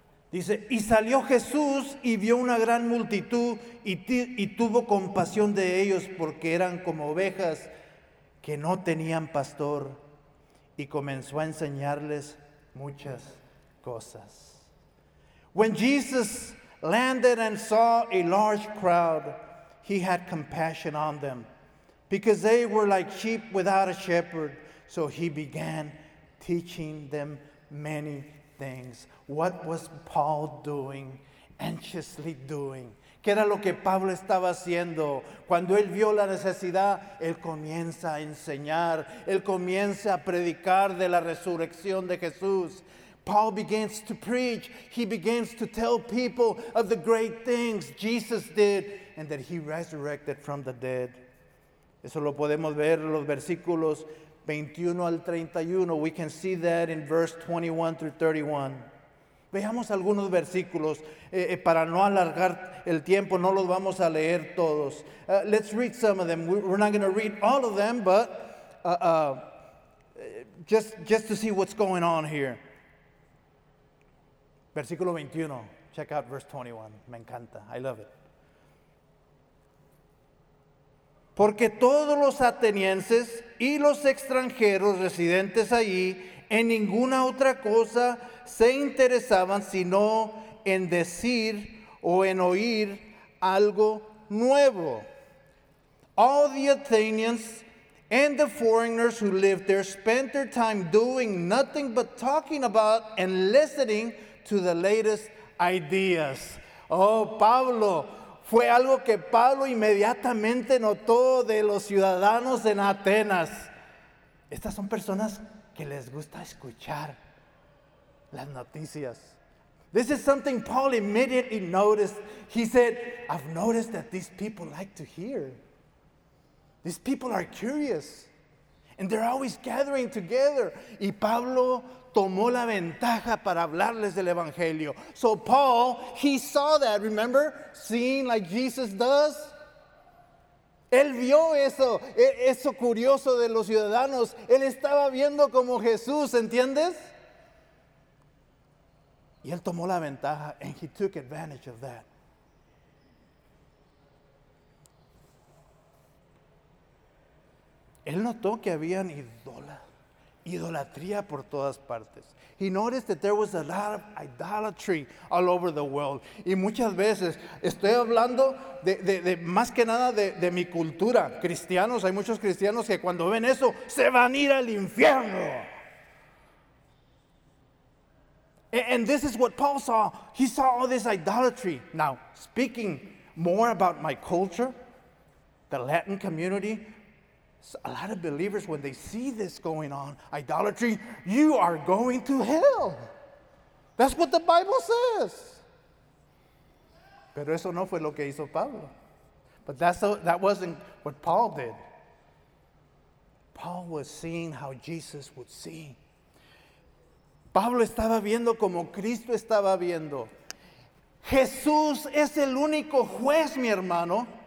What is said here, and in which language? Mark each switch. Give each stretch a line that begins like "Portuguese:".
Spanish: Dice, y salió Jesús y vio una gran multitud y tuvo compasión de ellos porque eran como ovejas que no tenían pastor y comenzó a enseñarles muchas cosas.
English: When Jesus landed and saw a large crowd, he had compassion on them because they were like sheep without a shepherd. So he began teaching them many things. What was Paul doing? Anxiously doing.
Spanish: ¿Qué era lo que Pablo estaba haciendo? Cuando él vio la necesidad, él comienza a enseñar. Él comienza a predicar de la resurrección de Jesús.
English: Paul begins to preach. He begins to tell people of the great things Jesus did and that he resurrected from the dead.
Spanish: Eso lo podemos ver en los versículos 21 al 31.
English: We can see that in verse 21 through 31.
Spanish: Veamos algunos versículos para no alargar el tiempo. No los vamos a leer todos.
English: Let's read some of them. We're not going to read all of them, but just to see what's going on here.
Spanish: Versículo 21.
English: Check out verse 21.
Spanish: Me encanta.
English: I love it.
Spanish: Porque todos los atenienses y los extranjeros residentes allí en ninguna otra cosa se interesaban sino en decir o en oír algo nuevo.
English: All the Athenians and the foreigners who lived there spent their time doing nothing but talking about and listening to the latest ideas.
Spanish: Oh, Pablo. Fue algo que Pablo inmediatamente notó de los ciudadanos en Atenas. Estas son personas que les gusta escuchar las noticias.
English: This is something Paul immediately noticed. He said, I've noticed that these people like to hear. These people are curious. And they're always gathering together.
Spanish: Y Pablo tomó la ventaja para hablarles del evangelio.
English: So Paul, he saw that, remember? Seeing like Jesus does.
Spanish: Él vio eso curioso de los ciudadanos. Él estaba viendo como Jesús, ¿entiendes? Y él tomó la ventaja,
English: and he took advantage of that.
Spanish: Él notó que habían idolatría por todas partes.
English: He noticed that there was a lot of idolatry all over the world.
Spanish: Y muchas veces, estoy hablando de más que nada de mi cultura. Cristianos, hay muchos cristianos que cuando ven eso, se van a ir al infierno.
English: And this is what Paul saw. He saw all this idolatry. Now, speaking more about my culture, the Latin community, so a lot of believers, when they see this going on, idolatry, you are going to hell. That's what the Bible says.
Spanish: Pero eso no fue lo que hizo Pablo.
English: But that wasn't what Paul did. Paul was seeing how Jesus would see.
Spanish: Pablo estaba viendo como Cristo estaba viendo. Jesús es el único juez, mi hermano.